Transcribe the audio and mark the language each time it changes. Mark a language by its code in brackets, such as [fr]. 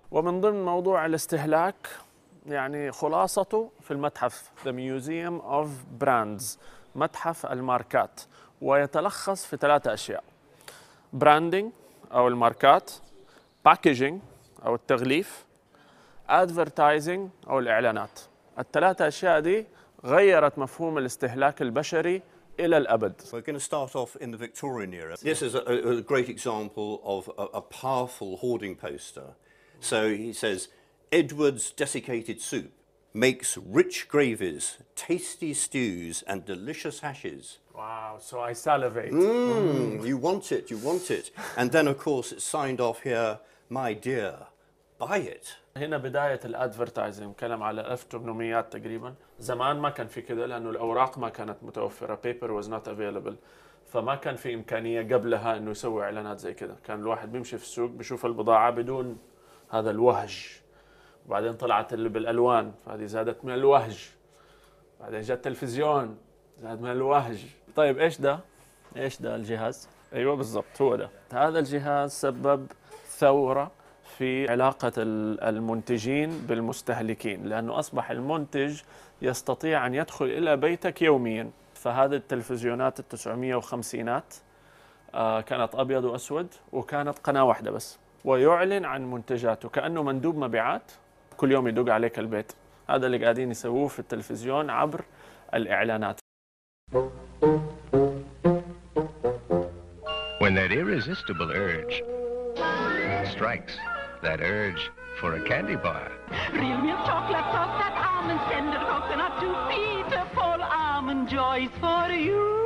[ar] ومن ضمن موضوع الاستهلاك يعني خلاصته في المتحف The Museum of Brands، متحف الماركات، ويتلخص في 3 أشياء: Branding أو الماركات، Packaging أو التغليف، Advertising أو الإعلانات. 3 أشياء دي غيرت مفهوم الاستهلاك البشري إلى الأبد. [en] We're going to start off in the Victorian era. This is a great example of a powerful hoarding poster. So he says, Edward's desiccated soup makes rich gravies, tasty stews, and delicious hashes. Wow, so I salivate. You want it, you want it. And then, of course, it's signed off here, my dear, buy it. [ar] هنا بداية الادفرتايزنج كلام على 1800 تقريبا. زمان ما كان في كده لأنه الأوراق ما كانت متوفرة, [en] paper was not available, [ar] فما كان في إمكانية قبلها إنه يسوي إعلانات زي كده. كان الواحد بيمشي في السوق بيشوف البضاعة بدون هذا الوهج, وبعدين طلعت اللي بالألوان فهذه زادت من الوهج, بعدين جاء التلفزيون زاد من الوهج. طيب إيش ده؟ إيش ده الجهاز؟ أيوة بالضبط هو ده. هذا الجهاز سبب ثورة في علاقة المنتجين بالمستهلكين, لأنه أصبح المنتج يستطيع أن يدخل إلى بيتك يومياً. فهذه التلفزيونات 950s كانت أبيض وأسود وكانت قناة واحدة بس, ويعلن عن منتجاته كأنه مندوب مبيعات كل يوم يدق عليك البيت. هذا اللي قاعدين يسووه في التلفزيون عبر الإعلانات. [en] When that irresistible urge strikes, that urge for a candy bar. Real milk chocolate top, that almond tender coconut to feed the full almond joys for you.